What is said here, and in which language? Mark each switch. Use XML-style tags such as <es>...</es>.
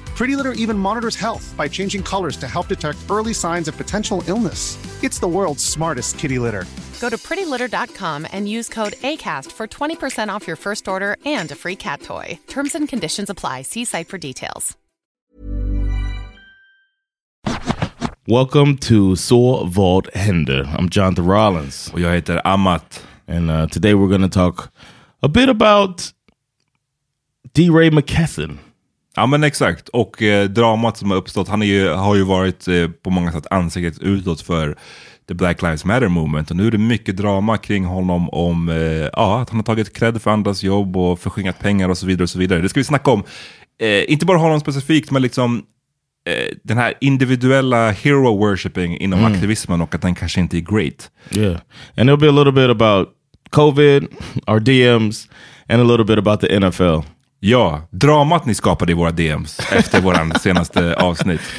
<en>Pretty Litter even monitors health by changing colors to help detect early signs of potential illness. It's the world's smartest kitty litter. Go to prettylitter.com and use code ACAST for 20% off your first order and a free cat toy. Terms and conditions apply. See site for details. Welcome to Så Vad Händer. I'm Jonathan Rollins.</en> <sv>Och jag heter Amat.</sv> <en>And today we're going to talk a bit about D-Ray McKesson.</en> <sv>Ja, men exakt. Och dramat som har uppstått, han är ju, har ju varit på många sätt ansiktet utåt för The Black Lives Matter Movement. Och nu är det mycket drama kring honom om att han har tagit cred för andras jobb och förskingat pengar och så vidare och så vidare. Det ska vi snacka om. Inte bara honom specifikt, men liksom den här individuella hero-worshipping inom aktivismen och att den kanske inte är great.</sv> <en>Yeah, and it'll be a little bit about COVID, our DMs, and a little bit about the NFL.</en> <sv>Ja, dramat ni skapade i våra DMs efter våran senaste avsnitt.</sv>